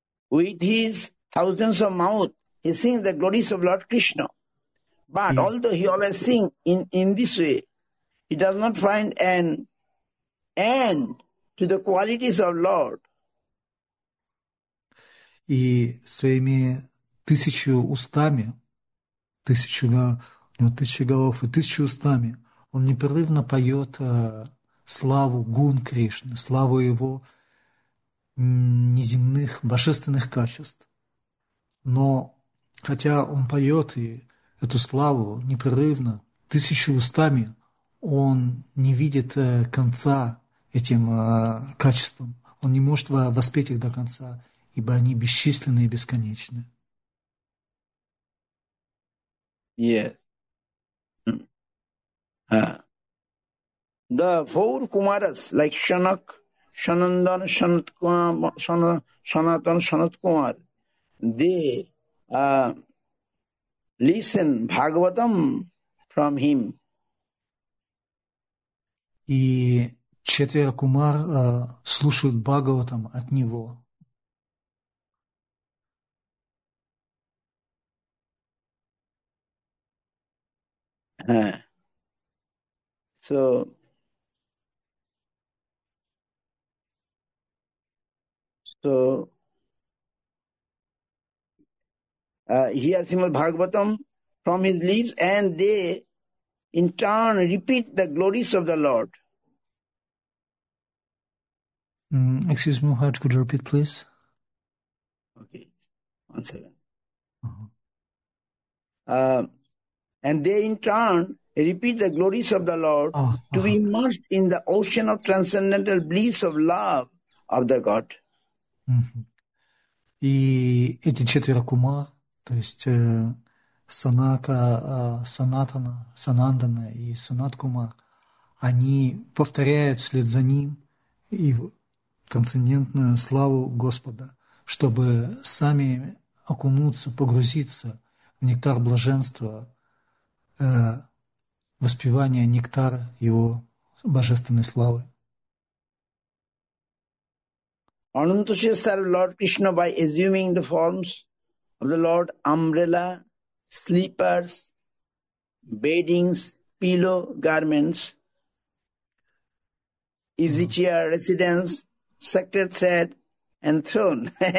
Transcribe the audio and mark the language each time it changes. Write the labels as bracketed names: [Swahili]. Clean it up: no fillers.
[English] With his thousands of mouth, he sings the glories of Lord Krishna. But although he always sings in this way, he does not find an end to the qualities of Lord. [Russian] И своими тысячу устами, тысячу, ну, тысячу голов и тысячу устами, он непрерывно поет славу гун Кришны, славу его неземных божественных качеств. Но хотя он поет и эту славу непрерывно, тысячу устами, он не видит конца этим качествам, он не может воспеть их до конца, ибо они бесчисленны и бесконечны. [English] Yes. The four Kumaras, like Shanak, Shanandan, Shanat Kumar, Sanatan, Shanat Kumar, they listen Bhagavatam from him. [Russian] И четверо кумар слушают Бхагаватам от него. [English] So, so, hear Srimad Bhagavatam from his lips, and they in turn repeat the glories of the Lord. Excuse me, Maharaj, could you repeat, please? Okay, 1 second. And they in turn repeat the glories of the Lord to be immersed in the ocean of transcendental bliss of love of the God. [Russian] И эти четверо кумар, то есть Санака, Санатана, Санандана и Санат Кумар, они повторяют вслед за ним и трансцендентную славу Господа, чтобы сами окунуться, погрузиться в нектар блаженства, воспевание нектара его божественной славы. [English] Anantashya served Lord Krishna by assuming the forms of the Lord: umbrella, slippers, beddings, pillow, garments, easy chair, residence, sacred thread, and throne.